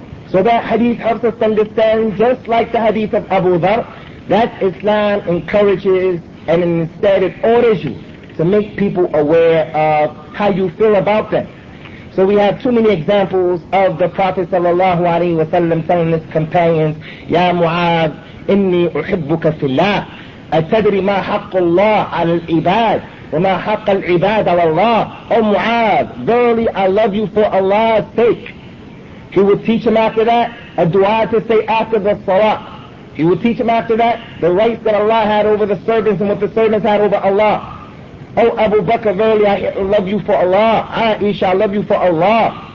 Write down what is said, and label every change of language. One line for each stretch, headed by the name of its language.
English: So that hadith helps us understand, just like the hadith of Abu Dharr, that Islam encourages and instead it orders you to make people aware of how you feel about them. So we have too many examples of the Prophet sallallahu alaihi wasallam telling his companions,
Arabic: "Ya Mu'adh, inni uhibbuka fillah. أتدري ما حق الله على العباد وما حق العباد على الله؟ أو معاذ,
English: verily I love you for Allah's sake." He would teach him after that a dua to say after the salah. He would teach him after that the rights that Allah had over the servants and what the servants had over Allah. "Oh Abu Bakr, verily I love you for Allah. Aisha, I love you for Allah."